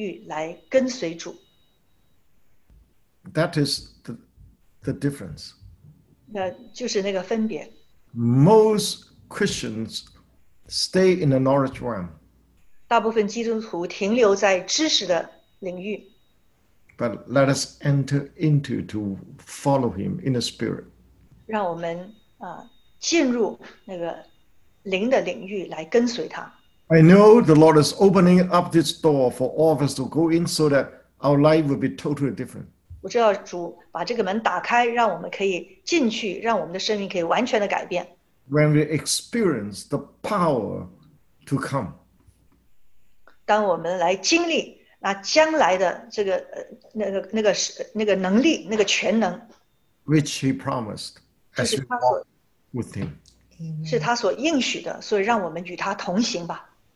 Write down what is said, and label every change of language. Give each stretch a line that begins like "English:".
Chinese: 但是我们没有进入灵的领域来跟随主。
English: That is the difference.
Chinese: 那就是那个分别。
English: Most Christians stay in the knowledge realm.
Chinese: 大部分基督徒停留在知识的领域。
English: But let us enter into to follow him in the spirit.
Chinese: 让我们, 进入那个灵的领域来跟随他。
English: I know the Lord is opening up this door for all of us to go in so that our life will be totally different.
Chinese: 我知道主把这个门打开, 让我们可以进去, 让我们的生命可以完全的改变。
English: When we experience the power to come.
Chinese: 当我们来经历, 那将来的这个, 那个, 那个, 那个能力, 那个全能,
English: which he promised as we walk with him.
Chinese: 是他所应许的, 所以让我们与他同行吧。